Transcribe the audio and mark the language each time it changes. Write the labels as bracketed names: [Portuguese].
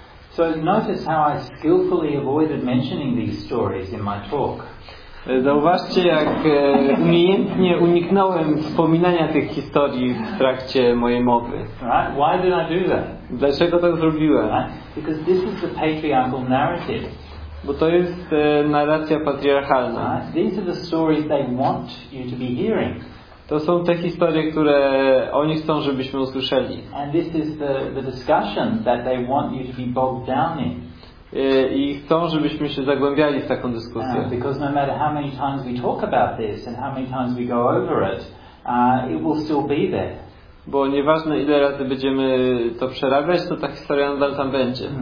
[English] So notice how I skillfully avoided mentioning these stories in my talk. [Polish] Zauważcie, jak umiejętnie uniknąłem wspominania tych historii w trakcie mojej mowy. [English] Right? Why did I do that? [Polish] Dlaczego tak zrobiłem? [English] Right? Because this is the patriarchal narrative. [Polish] Bo to jest narracja patriarchalna. [English] Right? These are the stories they want you to be hearing. [Polish] To są te historie, które oni chcą, żebyśmy usłyszeli. [English] And this is the discussion that they want you to be bogged down in. [Polish] I chcą, żebyśmy się zagłębiali w taką dyskusję. [English] Because no matter how many times we talk about this and how many times we go over it, it will still be there. [Polish] Bo nieważne ile razy będziemy to przerabiać, to ta historia nadal tam będzie.